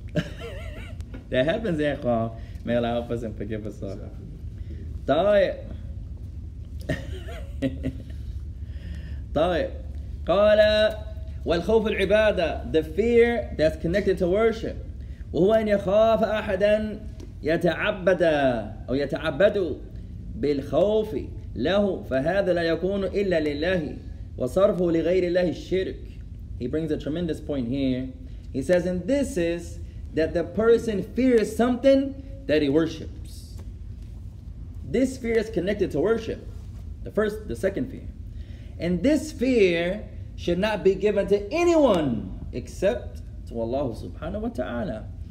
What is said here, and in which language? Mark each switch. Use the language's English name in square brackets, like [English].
[English] us. That happens, ya ikhwan. May Allah help us and forgive us all. Ta'ib. Ta'ib. [Arabic] قال والخوف العبادة, [English] the fear that's connected to worship. [Arabic] وهو أن يخاف أحدا يتعبد أو يتعبد بالخوف له فهذا لا يكون إلا لله وصرفه لغير الله الشرك. [English] He brings a tremendous point here. He says, and this is that the person fears something that he worships. This fear is connected to worship. The first, the second fear. And this fear should not be given to anyone except to Allah subhanahu wa ta'ala.